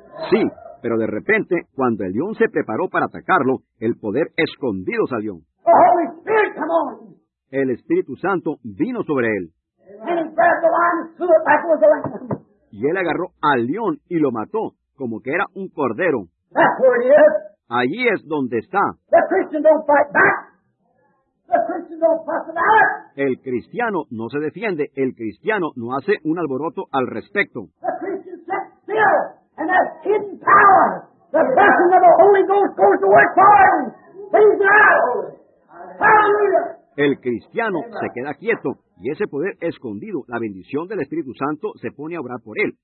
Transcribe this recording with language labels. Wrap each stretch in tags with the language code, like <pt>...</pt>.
<es>Sí, pero de repente, cuando el león se preparó para atacarlo, el poder escondido salió.</es> <en>The Holy Spirit came on.</en> <es>El Espíritu Santo vino sobre él.</es> <en>And he grabbed the lion, threw it back with the lamb.</en> <es>Y él agarró al león y lo mató, como que era un cordero.</es> <en>That's where it is.</en> <es>Allí es donde está.</es> <en>The Christian don't fight back. The Christian don't fuss about it.</en> <es>El cristiano no se defiende. El cristiano no hace un alboroto al respecto.</es> <en>The Christian sits still. And that hidden power, the blessing of the Holy Ghost, goes to work for him. He's now. Hallelujah.</en> <es>El cristiano se queda quieto y ese poder escondido, la bendición del Espíritu Santo, se pone a obrar por él.</es>